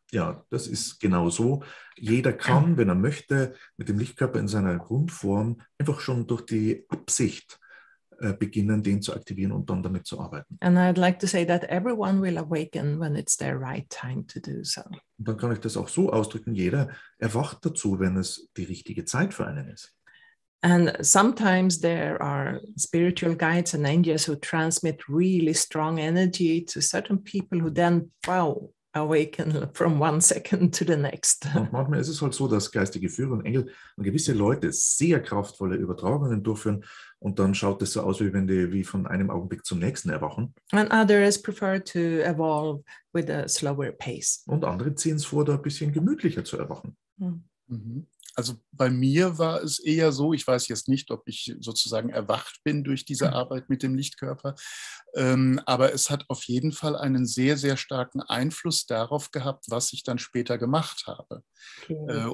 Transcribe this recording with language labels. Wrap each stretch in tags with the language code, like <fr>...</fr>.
<de>Ja, das ist genau so. Jeder kann, wenn er möchte, mit dem Lichtkörper in seiner Grundform einfach schon durch die Absicht beginnen, den zu aktivieren und dann damit zu arbeiten.</de> <en>And I'd like to say that everyone will awaken when it's their right time to do so.</en> <de>Und dann kann ich das auch so ausdrücken, jeder erwacht dazu, wenn es die richtige Zeit für einen ist.</de> <en>And sometimes there are spiritual guides and angels who transmit really strong energy to certain people who then, wow, awaken from one second to the next.</en> <de>Und manchmal ist es halt so, dass geistige Führer und Engel und gewisse Leute sehr kraftvolle Übertragungen durchführen und dann schaut es so aus, wie wenn die wie von einem Augenblick zum nächsten erwachen.</de> <en>And others prefer to evolve with a slower pace.</en> <de>Und andere ziehen es vor, da ein bisschen gemütlicher zu erwachen. Mhm. Also bei mir war es eher so, ich weiß jetzt nicht, ob ich sozusagen erwacht bin durch diese Arbeit mit dem Lichtkörper, aber es hat auf jeden Fall einen sehr, sehr starken Einfluss darauf gehabt, was ich dann später gemacht habe. Okay.</de>